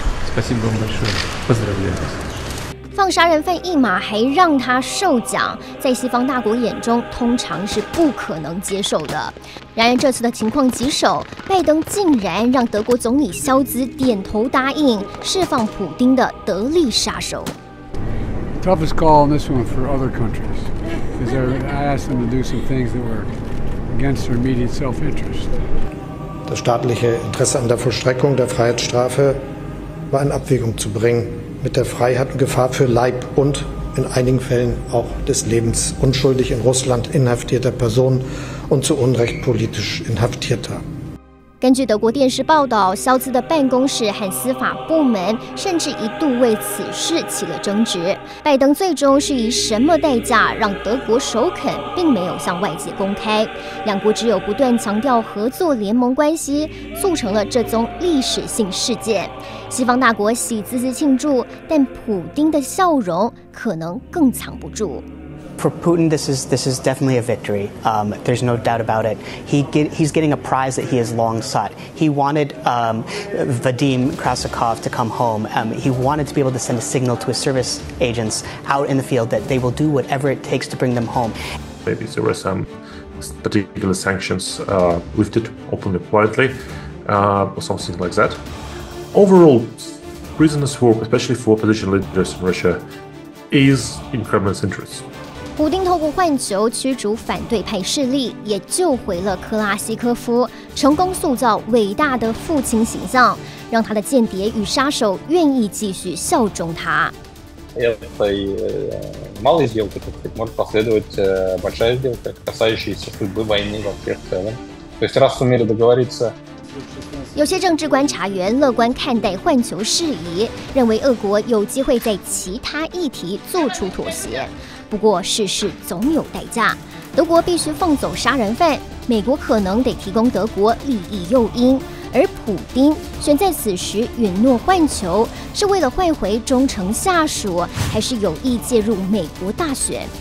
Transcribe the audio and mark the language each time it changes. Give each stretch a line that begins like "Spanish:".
Russian: Спасибо вам большое. Поздравляю вас.
Chinese: 放杀人犯一马还让他受奖，在西方大国眼中通常是不可能接受的。然而这次的情况棘手，拜登竟然让德国总理肖兹点头答应释放普丁的得力杀手。
English: Toughest call on this one for other countries, because I asked them to do some things that were. Against their immediate self-interest.
German: Das staatliche Interesse an der Vollstreckung der Freiheitsstrafe war in Abwägung zu bringen mit der Freiheit und Gefahr für Leib und in einigen Fällen auch des Lebens unschuldig in Russland inhaftierter Personen und zu Unrecht politisch inhaftierter.
Chinese: 根据德国电视报道，肖兹的办公室和司法部门甚至一度为此事起了争执。拜登最终是以什么代价让德国首肯，并没有向外界公开。两国只有不断强调合作联盟关系，促成了这宗历史性事件。西方大国喜滋滋庆祝，但普丁的笑容可能更藏不住。
English: For Putin, this is definitely a victory. There's no doubt about it. He's getting a prize that he has long sought. He wanted Vadim Krasikov to come home. He wanted to be able to send a signal to his service agents out in the field that they will do whatever it takes to bring them home. Maybe there were some particular sanctions lifted openly, quietly, or something like that. Overall, prisoners of war, especially for opposition leaders in Russia, is in Kremlin's interest.
Chinese: 普丁透过换酒驱逐反对派势力，也救回了克拉西科夫，成功塑造伟大的父亲形象，让他的间谍与杀手愿意继续效忠他。
Russian: Этой малой сделкой, так сказать, может последовать большая сделка, касающаяся судьбы войны во всех целом. То есть раз сумели договориться.
Chinese: 有些政治观察员乐观看待换酋事宜，认为俄国有机会在其他议题做出妥协。不过，事事总有代价。德国必须放走杀人犯，美国可能得提供德国利益诱因，而普丁选在此时允诺换酋，是为了换回忠诚下属，还是有意介入美国大选？